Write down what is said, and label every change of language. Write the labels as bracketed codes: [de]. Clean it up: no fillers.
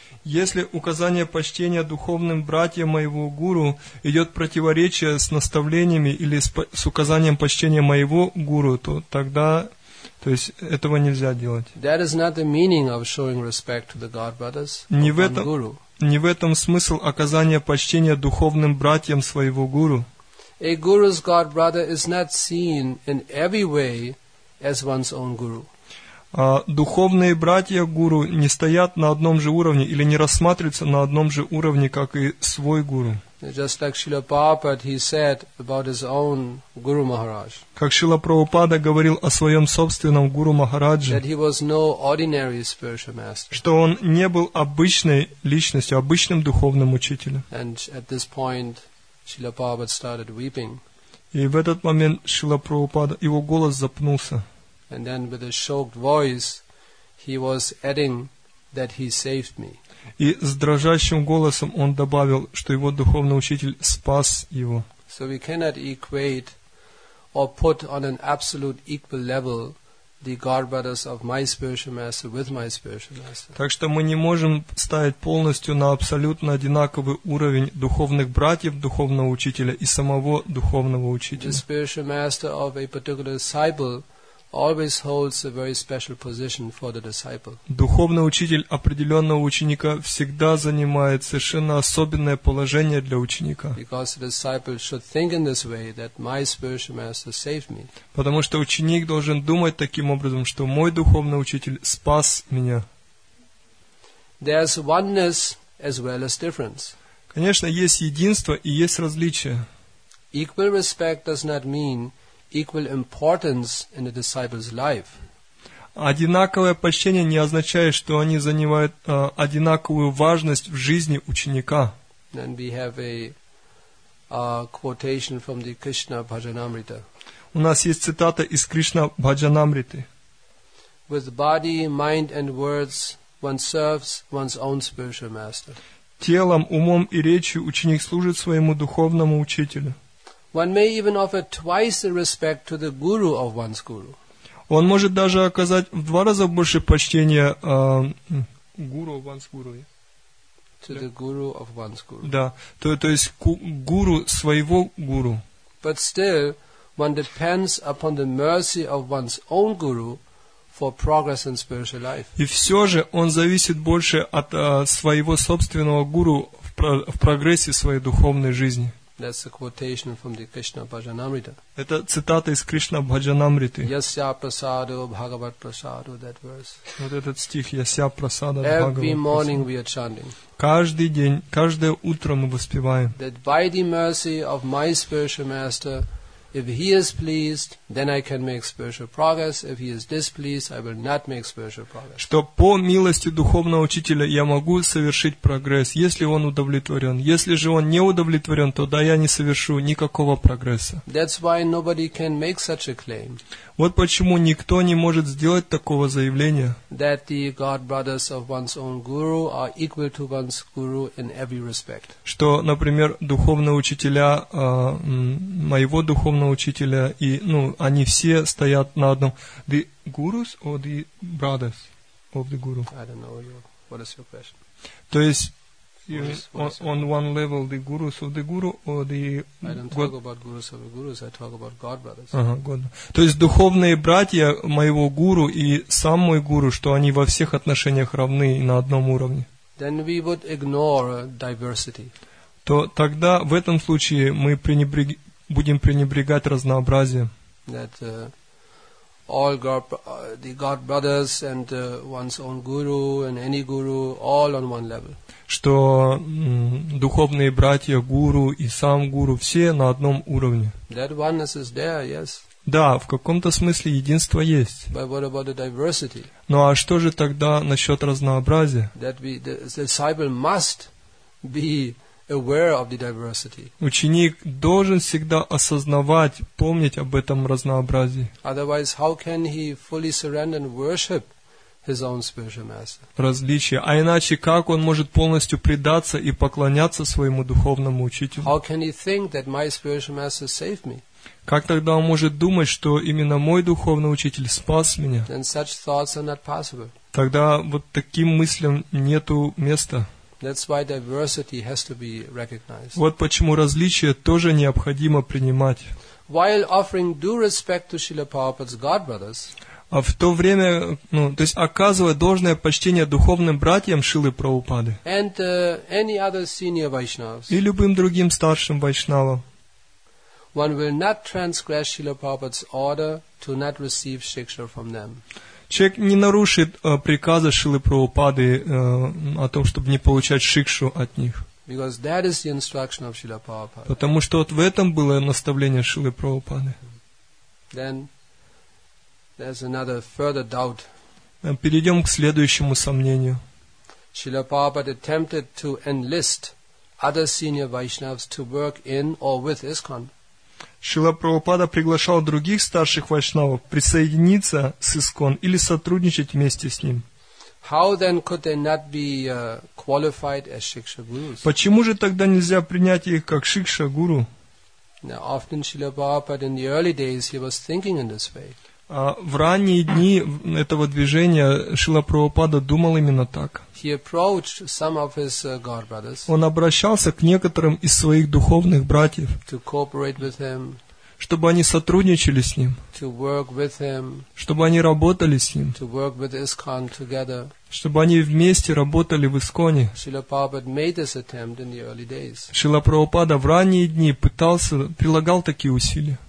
[ru] Если указание почтения духовным братьям моего гуру идет противоречие с наставлениями или с указанием почтения моего гуру, то тогда, то есть этого нельзя делать. [en] That is not the meaning of showing respect to the godbrothers of my guru. [ru] Не в этом смысл оказания почтения духовным братьям своего гуру. [en] A guru's godbrother is not seen in every way as one's own guru. [ru] Духовные братья гуру не стоят на одном же уровне или не рассматриваются на одном же уровне, как и свой гуру. [en] Just like Srila Prabhupada, he said about his own Guru Maharaj. [ru] Как Шрила Прабхупада говорил о своем собственном Гуру Махарадже. [en] That he was no ordinary spiritual master. [ru] Что он не был обычной личностью, обычным духовным учителем. [en] And at this point, Srila Prabhupada started weeping. [ru] И в этот момент Шрила Прабхупада, его голос запнулся. [en] And then with a shocked voice, he was adding that he saved me. [ru] И с дрожащим голосом он добавил, что его духовный учитель спас его. [en] So we cannot equate or put on an absolute equal level the Godbrothers of my spiritual master with my spiritual master. [ru] Так что мы не можем ставить полностью на абсолютно одинаковый уровень духовных братьев духовного учителя и самого духовного учителя. [en] The spiritual master of a particular disciple always holds a very special position for the disciple. [ru] Духовный учитель определенного ученика всегда занимает совершенно особенное положение для ученика. [en] Because the disciple should think in this way that my spiritual master saved me. [ru] Потому что ученик должен думать таким образом, что мой духовный учитель спас меня. [en] There's oneness as well as difference. [ru] Конечно, есть единство и есть различие. [en] Equal respect does not mean equal importance in the disciple's life. [ru] Одинаковое почтение не означает, что они занимают одинаковую важность в жизни ученика. [en] And we have a quotation from the Krishna Bhajanamrita. [ru] У нас есть цитата из Кришна Бхаджанамриты. [en] With body, mind and words, one serves one's own spiritual master. [ru] Телом, умом и речью ученик служит своему духовному учителю. [en] One may even offer twice the respect to the guru of one's guru. [ru] Он может даже оказать в два раза больше почтения [en] guru of one's guru. To the guru of one's guru. [ru] Да, то есть гуру своего гуру. [en] But still, one depends upon the mercy of one's own guru for progress in spiritual life. [ru] И все же он зависит больше от своего собственного гуру в прогрессе своей духовной жизни. [en] That's a quotation from the Krishna Bhajanamrita. [ru] Это цитата из Кришна Бхаджанамриты. [sa] Ясья прасадо Бхагават прасадо, [en] that verse. [ru] Вот этот стих, [sa] ясья прасадо Бхагават прасадо. [en] Every morning we are chanting. [ru] Каждый день, каждое утро мы воспеваем. [en] That by the mercy of my spiritual master, if he is pleased, then I can make spiritual progress. If he is displeased, I will not make spiritual progress. [ru] Что по милости духовного учителя я могу совершить прогресс, если он удовлетворен. Если же он не удовлетворен, тогда я не совершу никакого прогресса. [en] That's why nobody can make such a claim. [ru] Вот почему никто не может сделать такого заявления. [en] That the godbrothers of one's own guru are equal to one's guru in every respect. [ru] Что, например, духовные учителя моего духовного учителя и, ну, они все стоят на одном. [en] The gurus or the brothers of the guru? I don't know. What is your question? [ru] То есть, [en] on one level, the gurus of the guru or the... I don't talk about gurus of the gurus, I talk about God brothers. [ru] То есть, духовные братья моего гуру и сам мой гуру, что они во всех отношениях равны и на одном уровне. [en] Then we would ignore diversity. [ru] То тогда, в этом случае, мы будем пренебрегать разнообразием. [en] That all the God brothers and one's own guru and any guru all on one level. [ru] Что духовные братья, гуру и сам гуру все на одном уровне. [en] That oneness is there, yes. [ru] Да, в каком-то смысле единство есть. [en] But what about the diversity? [ru] Ну а что же тогда насчет разнообразия? [en] That the disciple must be aware of the diversity. [ru] Ученик должен всегда осознавать, помнить об этом разнообразии. [en] Otherwise, how can he fully surrender and worship his own spiritual master? [ru] Различие. А иначе как он может полностью предаться и поклоняться своему духовному учителю? [en] How can he think that my spiritual master saved me? [ru] Как тогда он может думать, что именно мой духовный учитель спас меня? [en] Then such thoughts are not possible. [ru] Тогда вот таким мыслям нету места. [en] That's why diversity has to be recognized. [ru] Вот почему различие тоже необходимо принимать. [en] While offering due respect to Srila Prabhupada's God brothers, [ru] а в то время, ну, то есть оказывая должное почтение духовным братьям Шрилы Прабхупады [en] and any other senior Vaishnavas, [ru] и любым другим старшим вайшнавам, [en] one will not transgress Srila Prabhupada's order to not receive shiksha from them. [ru] Человек не нарушит приказа Шрилы Прабхупады о том, чтобы не получать шикшу от них. [en] Because that is the instruction of Srila Prabhupada. [ru] Потому что вот в этом было наставление Шрилы Прабхупады. [en] Then there's another further doubt. [ru] Перейдем к следующему сомнению. [en] Srila Prabhupada attempted to enlist other senior Vaishnavas to work in or with ISKCON. [ru] Шрила Прабхупада приглашал других старших вайшнавов присоединиться с ИСКОН или сотрудничать вместе с ним. [en] How then could they not be qualified as Shiksha Gurus? [ru] Почему же тогда нельзя принять их как Шикша Гуру? [en] Now, often Srila Prabhupada in the early days he was thinking in this way. [ru] В ранние дни этого движения Шрила Прабхупада думал именно так. [en] He approached some of his god brothers. [ru] Он обращался к некоторым из своих духовных братьев, [en] to cooperate with him, [ru] чтобы они сотрудничали с ним, [en] to work with him, [ru] чтобы они работали с ним, [en] to work with ISKCON together, [ru] чтобы они вместе работали в ИСКОНе. [en] Srila Prabhupada made this attempt in the early days. [ru] Шрила Прабхупада в ранние дни пытался, прилагал такие усилия.